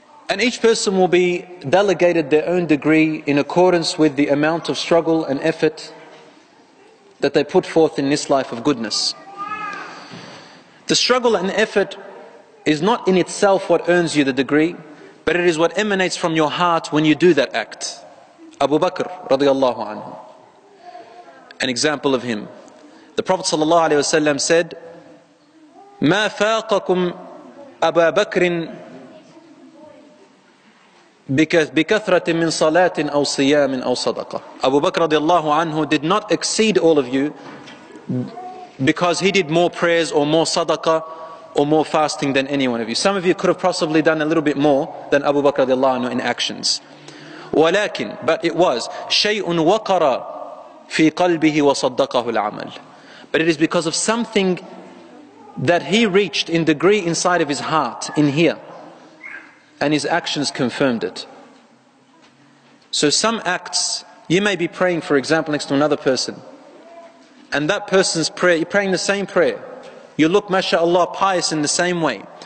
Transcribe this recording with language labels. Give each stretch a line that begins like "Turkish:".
English: And each person will be delegated their own degree in accordance with the amount of struggle and effort that they put forth in this life of goodness. The struggle and effort is not in itself what earns you the degree, but it is what emanates from your heart when you do that act. Abu Bakr radiallahu anhu, an example of him. The Prophet sallallahu alaihi wasallam said,
Arabic: مَا فَاقَكُمْ أَبَا بَكْرٍ بِكَثْرَةٍ مِّن صَلَاةٍ أَوْ صِيَامٍ أَوْ صَدَقَةٍ.
English: Abu Bakr radiallahu anhu did not exceed all of you because he did more prayers or more sadaqah or more fasting than any one of you. Some of you could have possibly done a little bit more than Abu Bakr radiallahu anhu in actions.
Arabic: وَلَكِنْ,
English: but it was,
Arabic: شَيْءٌ وَقَرَ فِي قَلْبِهِ وَصَدَّقَهُ الْعَمَلِ.
English: But it is because of something that he reached in degree inside of his heart, in here. And his actions confirmed it. So some acts, you may be praying, for example, next to another person. And that person's prayer, you're praying the same prayer. You look, mashallah, pious in the same way.